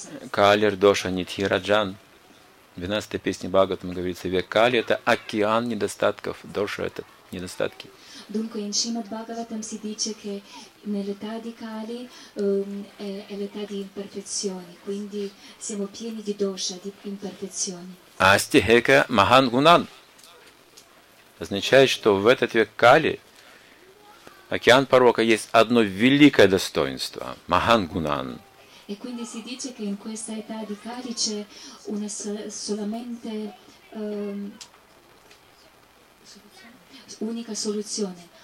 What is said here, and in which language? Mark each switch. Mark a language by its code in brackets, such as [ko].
[sa] Калер, Доша, Нитхи, Раджан. [ru] 12-я песня Бхагаватам говорится, век Кали – это океан недостатков, Доша – это недостатки. [it] Dunque in Srimad Bhagavatam si dice che nell'età di Kali è l'età di imperfezioni, quindi siamo pieni di dosha, di imperfezioni. [sa] Asti heka mahan gunan. [ru] Означает, что в этот век Кали океан порока есть одно великое достоинство, [sa] mahan gunan. [it] E quindi si dice che in questa età di Kali c'è una solamente unica soluzione.